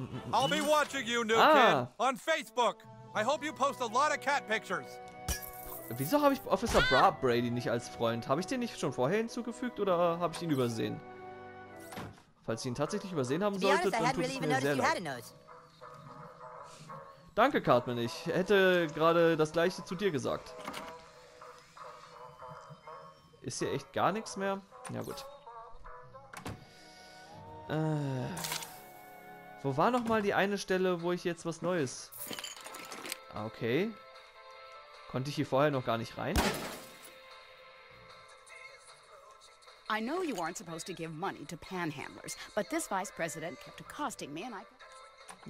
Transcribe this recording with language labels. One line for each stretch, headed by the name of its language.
English: I'll be watching you, new kid, on Facebook. I hope you post a lot of cat pictures.
German: Wieso habe ich Officer Brady nicht als Freund? Habe ich den nicht schon vorher hinzugefügt oder habe ich ihn übersehen? Falls ich ihn tatsächlich übersehen haben sollte, dann tut es mir sehr leid. Danke, Cartman. Ich hätte gerade das Gleiche zu dir gesagt. Ist hier echt gar nichts mehr? Ja, gut. Wo war nochmal die eine Stelle, wo ich jetzt was Neues... Okay... Konnte ich hier vorher noch gar nicht rein?
English: I know you aren't supposed to give money to panhandlers, but this vice president kept accosting me and I...